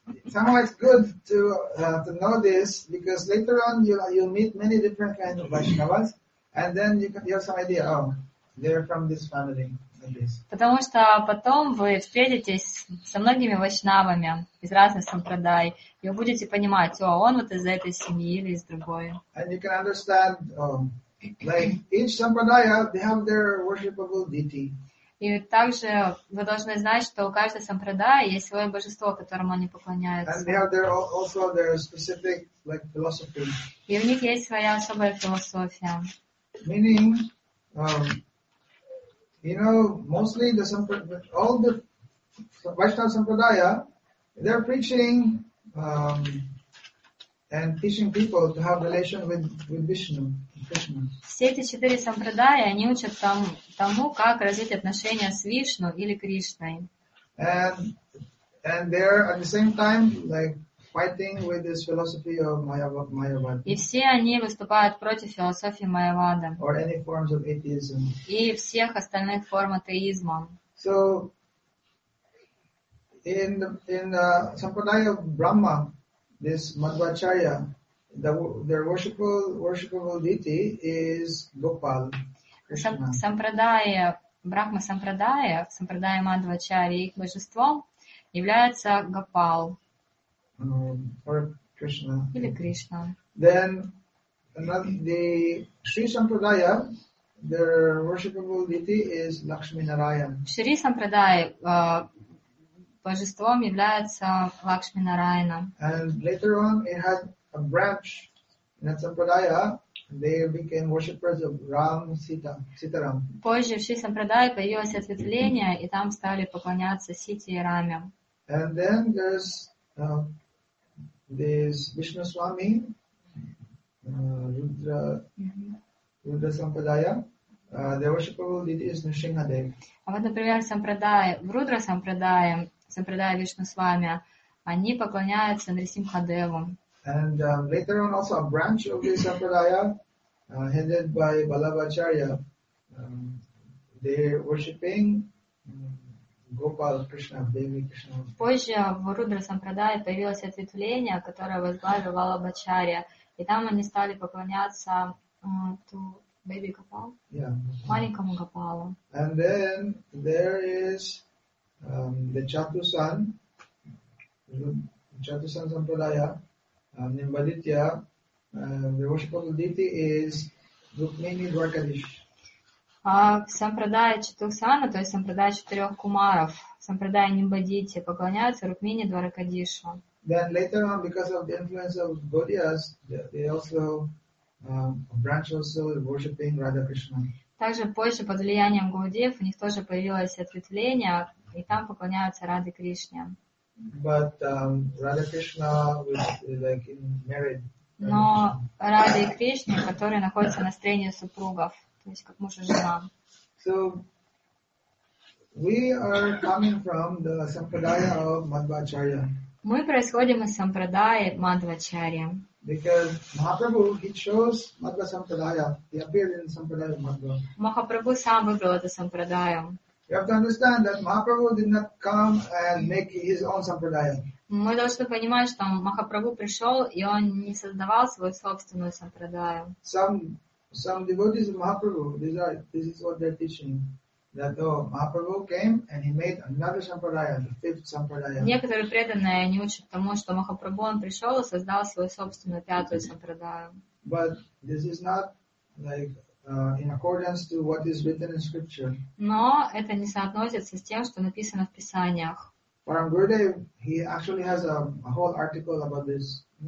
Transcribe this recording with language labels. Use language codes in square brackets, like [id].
[en] Somehow it's good to know this, because later on you'll meet many different kinds of Vaishnavas, and then you have some idea, oh, they're from this family. [ru] Потому что потом вы встретитесь со многими вайшнавами из разных сампрадай, и вы будете понимать, о, он вот из этой семьи или из другой. [en] And you can understand, like each sampradaya, they have their worshipable deity. [ru] И также вы должны знать, что у каждой сампрадаи есть свое божество, которому они поклоняются. [en] And they have their also their specific like philosophy. [ru] И у них есть своя особая философия. [en] Meaning, you know, mostly the all the Vaishnava Sampradaya, they're preaching and teaching people to have relation with Vishnu, Krishna. [ru] Все эти четыре сампрадая, они учат тому, как развить отношения с Вишну или Кришной. [en] And they're at the same time like fighting with this philosophy of Mayavada. [ru] И все они выступают против философии Майявады. [en] Or any forms of atheism. [ru] И всех остальных форм атеизма. [en] So in Sampradaya of Brahma, this Madhvacharya, their worshipable deity is Gopal. [ru] Sampradaya Brahma Sampradaya, Sampradaya Madhvacharya, их божество является Гопал. [en] Or Krishna. [ru] Или Кришна. [en] Then the Sri Sampradaya, their worshipable deity is Lakshmi Narayan. [ru] Шри Сампрадай божеством является Лакшми Нараяна. [en] And later on, it had a branch in that Sampradaya. They became worshippers of Ram Sita, Sitaram. [ru] Позже в Шри Сампрадай появилось ответвление, и там стали поклоняться Сите и Раме. [en] And then there's this Vishnu Swami, Rudra, mm-hmm. Rudra Sampradaya, their worshipable deity is Nrisimha Dev. [ru] А вот, например, Сампрадай, в Рудра Сампрадай, Сампрадай Вишну Свами, они поклоняются Нрисимха Деву. [en] And later on also a branch of this Sampradaya, headed by Balabhacharya, they're worshipping Gopal Krishna, Devi Krishna. [ru] Позже в Рудра Сампрадае появилось ответвление, которое возглавил Валабхачарья, и там они стали поклоняться [en] Baby Gopal, yeah. [ru] Маленькому Гопалу. [en] And then there is the Chatusan, Chatusan Sampradaya, Nimbaditya, the worshipable deity is Rukmini Dwarkadish. [ru] А Сампрадая Четухсана, то есть Сампрадая Четырех Кумаров, Сампрадая Нимбадити, поклоняются Рукмини Дваракадишу. [en] Then later on, because of the influence of Gaudiyas, they also branch also worshiping Radha Krishna. [ru] Также позже под влиянием Гаудиев у них тоже появилось ответвление, и там поклоняются Раде Кришне. [en] But Radha Krishna was like in married. [ru] Но Раде и Кришне, которые находятся на строении супругов. Как муж и жена. [en] So we are coming from the sampradaya of Madhvacharya. [ru] Мы происходим из сампрадаи Мадхвачарья. [en] Because Mahaprabhu he chose Madhva sampradaya. He appeared in sampradaya of Madhva. [ru] Махапрабху сам выбрал эту сампрадаю. [en] You have to understand that Mahaprabhu did not come and make his own sampradaya. [ru] Мы должны понимать, что Махапрабху пришел и он не создавал свою собственную сампрадаю. [en] Some devotees of Mahaprabhu, this is what they're teaching, that though Mahaprabhu came and he made another sampradaya, the fifth sampradaya. [ru] Некоторые преданные не учат тому, что Махапрабху он пришел и создал свою собственную пятую сампрадаю. [en] But this is not like in accordance to what is written in scripture. [ru] Но это не соотносится с тем, что написано в писаниях. [en] Param Gurudev, he actually has a whole article about this.